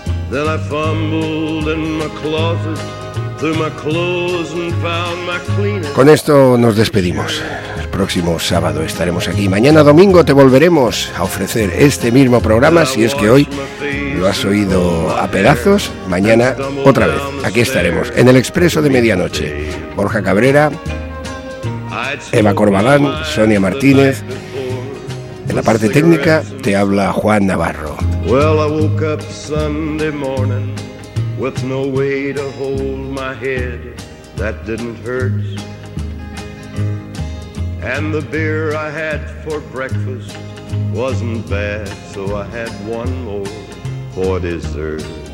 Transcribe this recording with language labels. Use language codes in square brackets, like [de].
[en] Then I fumbled in my closet, through my clothes and found my cleaner. [es] Con esto nos despedimos. El próximo sábado estaremos aquí. Mañana domingo te volveremos a ofrecer este mismo programa. Si es que hoy lo has oído a pedazos, mañana otra vez. Aquí estaremos, en el Expreso de Medianoche. Borja Cabrera, Eva Corbalán, Sonia Martínez. En la parte técnica te habla Juan Navarro. [en] Well, I woke up Sunday morning with no way to hold my head that didn't hurt. And the beer I had for breakfast wasn't bad, so I had one more for dessert.